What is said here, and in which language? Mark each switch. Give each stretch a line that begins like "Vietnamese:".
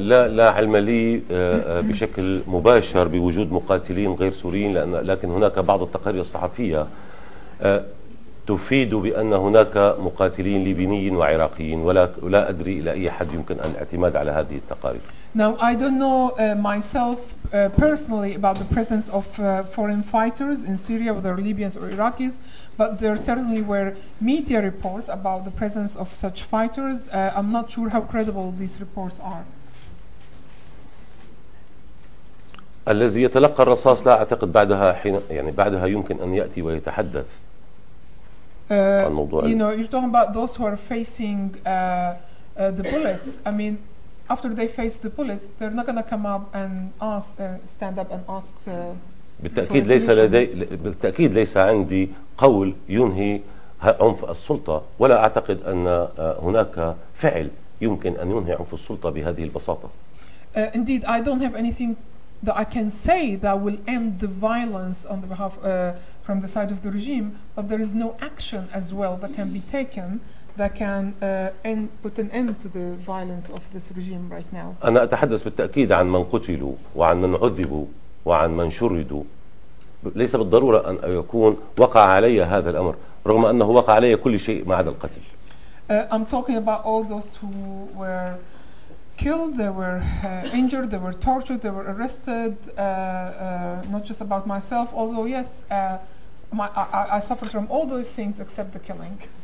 Arabic: لا علم لي بشكل مباشر بوجود مقاتلين غير سوريين لكن هناك بعض التقارير الصحفية تفيد بأن هناك مقاتلين ليبيين وعراقيين ولا أدري إلى أي حد يمكن أن اعتماد على هذه التقارير.
English: Now I don't know myself personally about the presence of foreign fighters in Syria, whether Libyans or Iraqis, but there certainly were media reports about the presence of such fighters. I'm not sure how credible these reports are.
Arabic: الذي يتلقى الرصاص لا أعتقد بعدها حين يعني بعدها يمكن أن يأتي ويتحدث.
English: You know, you're talking about those who are facing the bullets. I mean, after they face the bullets, they're not going to come up and ask, stand up and ask.
Arabic: بالتأكيد ليس لدي بالتأكيد ليس عندي قول ينهي عنف السلطة ولا أعتقد أن هناك فعل يمكن أن ينهي عنف السلطة بهذه البساطة.
English: Indeed, I don't have anything that I can say that will end the violence on the behalf from the side of the regime, but there is no action as well that can be taken that can put an end to the violence of this regime right now.
Arabic: أنا أتحدث بالتأكيد عن من قتلوا وعن من عذبوا وعن من شردوا. ليس بالضرورة أن يكون وقع علي هذا الأمر رغم أنه وقع علي كل شيء ما عدا القتل.
English: I'm talking about all those who were killed, they were injured, they were tortured, they were arrested, not just about myself, although yes, I suffered from all those things except the killing.